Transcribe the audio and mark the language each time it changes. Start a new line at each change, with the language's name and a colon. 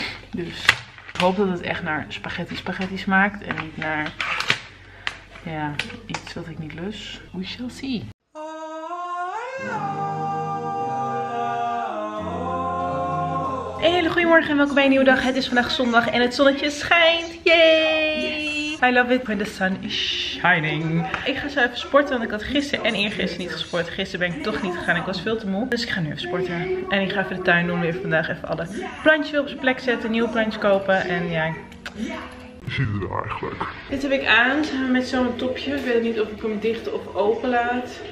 Dutch: Dus ik hoop dat het echt naar spaghetti smaakt. En niet naar... Ja, iets wat ik niet lust.
English: We shall see.
Dutch: Een hele goede morgen en welkom bij een nieuwe dag. Het is vandaag zondag en het zonnetje schijnt. Yay!
English: Yes. I love it when the sun is shining.
Dutch: Ik ga zo even sporten, want ik had gisteren en eergisteren niet gesport. Gisteren ben ik toch niet gegaan, ik was veel te moe. Dus ik ga nu even sporten. En ik ga even de tuin doen, weer vandaag even alle plantjes op zijn plek zetten. Nieuwe plantjes kopen en ja... Ziet het er eigenlijk. Dit heb ik aan, samen met zo'n topje. Ik weet niet of ik hem dicht of open laat.